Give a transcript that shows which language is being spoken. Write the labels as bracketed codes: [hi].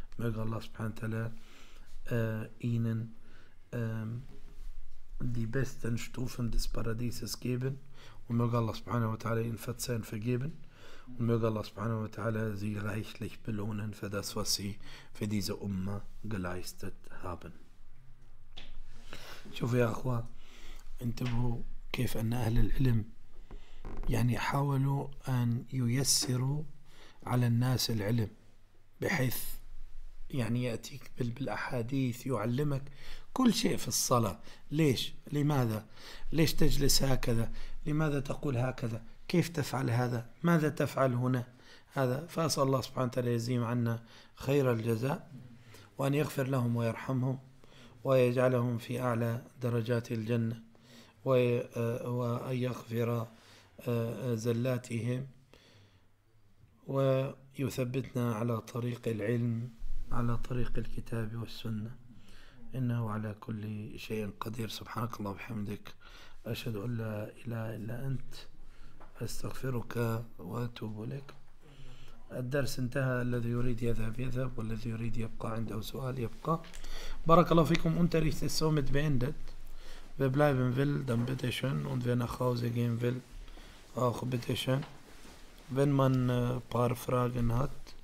[de] Möge Allah subhanahu wa ta'ala ihnen die besten Stufen des Paradieses geben, und möge Allah subhanahu wa ta'ala ihnen verzeihen, vergeben, und möge Allah subhanahu wa ta'ala sie reichlich belohnen für das, was sie für diese Umma geleistet haben. Ich hoffe, ja, Achwa, [ar] انتبهوا كيف أن أهل العلم يعني حاولوا أن ييسروا على الناس العلم بحيث يعني يأتيك بالأحاديث يعلمك كل شيء في الصلاة. ليش؟ لماذا؟ ليش تجلس هكذا؟ لماذا تقول هكذا؟ كيف تفعل هذا؟ ماذا تفعل هنا؟ هذا. فأسأل الله سبحانه وتعالى يزيم عنا خير الجزاء وأن يغفر لهم ويرحمهم ويجعلهم في أعلى درجات الجنة وأن يغفر زلاتهم ويثبتنا على طريق العلم على طريق الكتاب والسنة إنه على كل شيء قدير. سبحانك الله وبحمدك، أشهد أن لا إله إلا أنت، أستغفرك وأتوب إليك. الدرس انتهى، الذي يريد يذهب يذهب، والذي يريد يبقى عنده سؤال يبقى. بارك الله فيكم. أنت ريت السومت بأندت. [de] Wer bleiben will, dann bitteschön. Und wer nach Hause gehen will, auch bitteschön. Wenn man ein paar Fragen hat.